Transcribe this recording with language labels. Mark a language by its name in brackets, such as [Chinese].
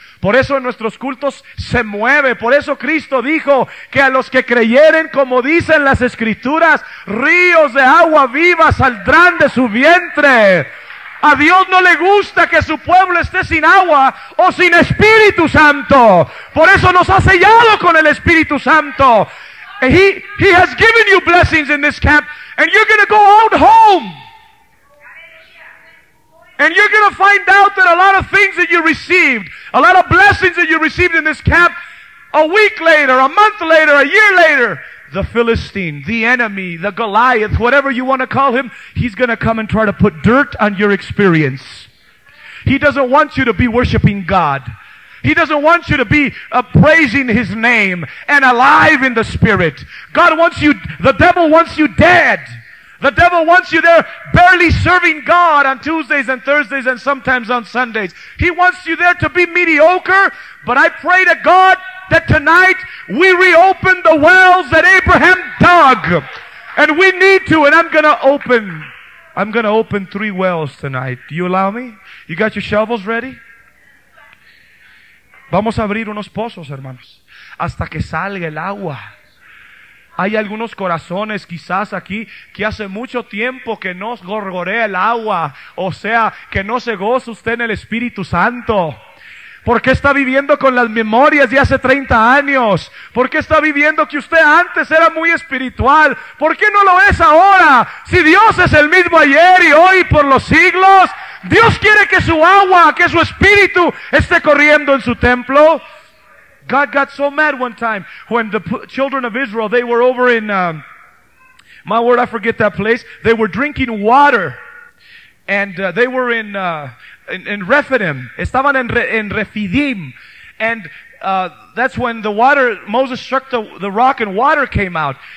[Spanish] Por eso en nuestros cultos se mueve. Por eso Cristo dijo que a los que creyeren, como dicen las Escrituras, ríos de agua viva saldrán de su vientre. A Dios no le gusta que su pueblo esté sin agua o sin Espíritu Santo. Por eso nos ha sellado con el Espíritu Santo. [English] And he has given you blessings in this camp. And you're going to go out home. And you're going to find out that a lot of things that you received, a lot of blessings that you received in this camp, a week later, a month later, a year later, the Philistine, the enemy, the Goliath, whatever you want to call him, he's going to come and try to put dirt on your experience. He doesn't want you to be worshiping God. He doesn't want you to be praising his name and alive in the spirit. God wants you, the devil wants you dead. The devil wants you there barely serving God on Tuesdays and Thursdays and sometimes on Sundays. He wants you there to be mediocre, but I pray to God that tonight we reopen the wells that Abraham dug. And we need to, and I'm going to open three wells tonight. Do you allow me? You got your shovels ready? [Spanish] Vamos a abrir unos pozos, hermanos, hasta que salga el agua. Hay algunos corazones quizás aquí que hace mucho tiempo que no gorgorea el agua. O sea, que no se goza usted en el Espíritu Santo. ¿Por qué está viviendo con las memorias de hace 30 años? ¿Por qué está viviendo que usted antes era muy espiritual? ¿Por qué no lo es ahora? Si Dios es el mismo ayer y hoy por los siglos, Dios quiere que su agua, que su espíritu esté corriendo en su templo. [English] God got so mad one time when the children of Israel, they were over in, my word, I forget that place. They were drinking water. And they were in Rephidim. [Spanish] Estaban en Rephidim. [English] And that's when the water, Moses struck the rock and water came out.